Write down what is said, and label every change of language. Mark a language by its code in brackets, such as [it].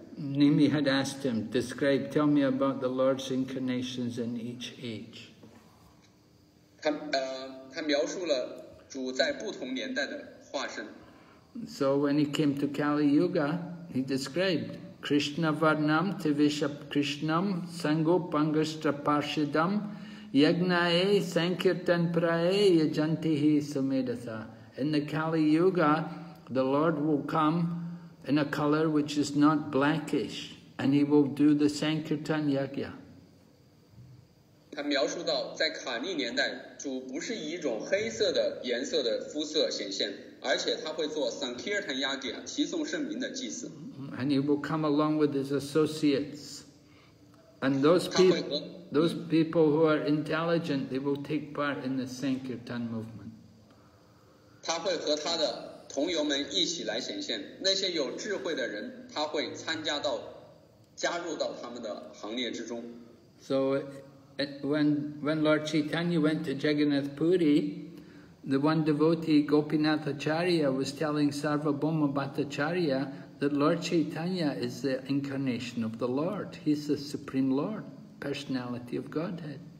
[en] Nimi had asked him, describe, tell me about the Lord's incarnations in each age. [zh] 他描述了主在不同年代的化身。 [en] So when he came to Kali Yuga, he described [sa] Krishna Varnam Tivishap Krishnam Sangopangastra Parshidam Yagnae Sankirtan Prae Yajantihi Sumedatha. [en] In the Kali Yuga, the Lord will come in a color which is not blackish and he will do the Sankirtan Yagya. [zh] 他描述到在卡利年代主不是以一种黑色的颜色的肤色显现。而且他会做 Sankirtan Yagya 提诵圣名的祭祀。 [en] And he will come along with his associates. And those people who are intelligent, they will take part in the Sankirtan movement. [zh] 他会和他的同游们一起来显现，那些有智慧的人他会参加到加入到他们的行列之中。 [en] So when Lord Chaitanya went to Jagannath Puri, the one devotee Gopinath Acharya was telling Sarvabhauma Bhattacharya that Lord Chaitanya is the incarnation of the Lord, he's the Supreme Lord, personality of Godhead.